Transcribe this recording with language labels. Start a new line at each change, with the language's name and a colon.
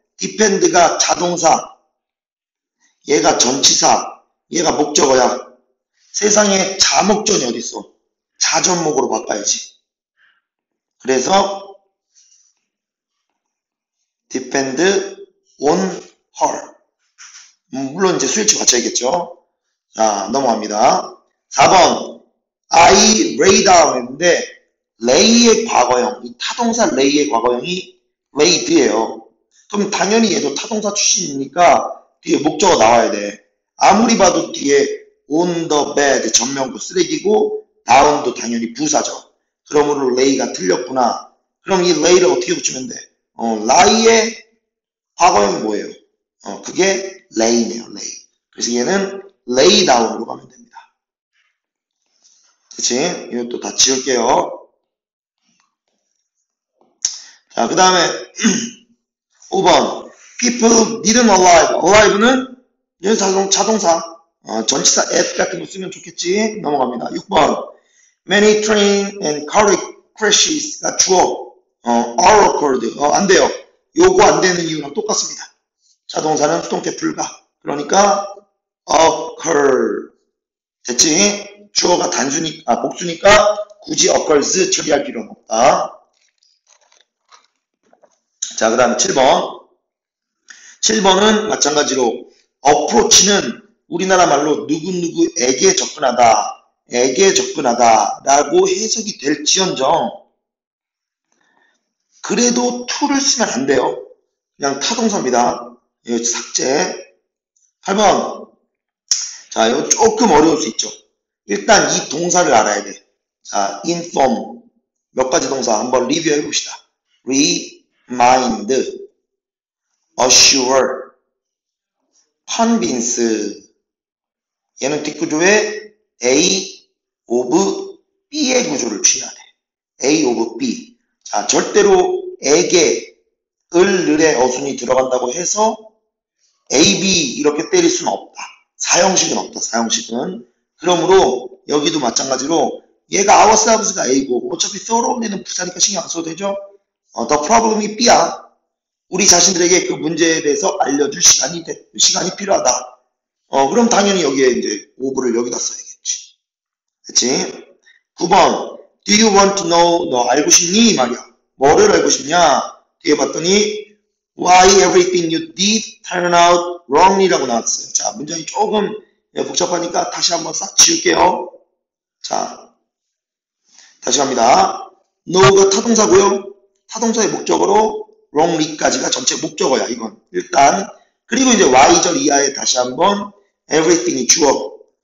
Korean: depend가 자동사. 얘가 전치사. 얘가 목적어야. 세상에 자목전이 어딨어? 자전목으로 바꿔야지. 그래서 depend on her. 물론 이제 스위치 맞춰야겠죠. 자, 넘어갑니다. 4번 I lay down 했는데 lay의 과거형, 이 타동사 lay의 과거형이 laid예요. 그럼 당연히 얘도 타동사 출신이니까 뒤에 목적어 나와야 돼. 아무리 봐도 뒤에 on the bed 전명구 쓰레기고 down도 당연히 부사죠. 그러므로 lay가 틀렸구나. 그럼 이 lay를 어떻게 붙이면 돼? lie의 과거형이 뭐예요? 그게 lay네요, lay. 그래서 얘는 lay down으로 가면 됩니다. 그치? 이것도 다 지울게요. 자, 그 다음에 5번.
English: People need an alive.
Korean: alive는 자동사. 전치사 at 같은 거 쓰면 좋겠지? 넘어갑니다. 6번.
English: Many train and car crashes.
Korean: 주어. are occurred. 안 돼요. 요거 안 되는 이유랑 똑같습니다. 자동사는 수동태 불가. 그러니까 occur. 됐지? 주어가 단순이, 아, 복수니까 굳이 occurs 처리할 필요는 없다. 자, 그 다음에 7번. 7번은 마찬가지로 approach는 우리나라 말로 누구누구에게 접근하다. 에게 접근하다라고 해석이 될지언정. 그래도 to를 쓰면 안 돼요. 그냥 타동사입니다. 이거 삭제. 8번. 자, 이거 조금 어려울 수 있죠. 일단 이 동사를 알아야 돼. 자, inform. 몇 가지 동사 한번 리뷰해 봅시다. remind, assure, convince. 얘는 뒷구조에 A of B의 구조를 취해야 돼. A of B. 자, 절대로 에게 을의 어순이 들어간다고 해서 AB 이렇게 때릴 수는 없다. 사형식은 없다. 사형식은. 그러므로 여기도 마찬가지로 얘가 ourselves가 A고 어차피 thoroughly는 부사니까 신경 안 써도 되죠. The problem이 B야. 우리 자신들에게 그 문제에 대해서 알려줄 시간이 필요하다. 그럼 당연히 여기에 이제 of를 여기다 써야겠지. 그치? 9번.
English: Do you want to know?
Korean: 너 알고 싶니? 말이야. 뭐를 알고 싶냐? 뒤에 봤더니
English: why everything you did turn out wrongly
Korean: 라고 나왔어요. 자, 문장이 조금 복잡하니까 다시 한번 싹 지울게요. 자, 다시 갑니다. No가 타동사고요. 타동사의 목적으로 wrongly까지가 전체 목적어야 이건 일단. 그리고 이제 why절 이하에 다시 한번 everything이 주어.